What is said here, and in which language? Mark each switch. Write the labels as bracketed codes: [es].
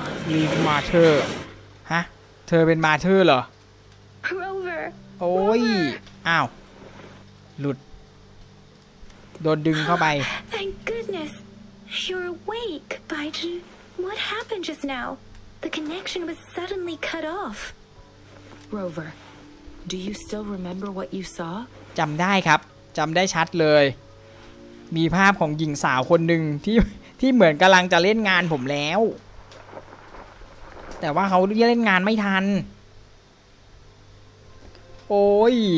[th] มีมาเธอฮะเธอเป็นมาเธอเหรอโอ้ยอ้าวหลุดโดนดึงเข้าไป [en] Thank goodness you're awake Baijin What happened just now The connection was suddenly cut off Rover Do you still remember what you saw [th] จำได้ครับจำได้ชัดเลยมีภาพของหญิงสาวคนหนึ่งที่เหมือนกำลังจะเล่นงานผมแล้วแต่ว่าเขาเล่นงานไม่ทันโอ้ย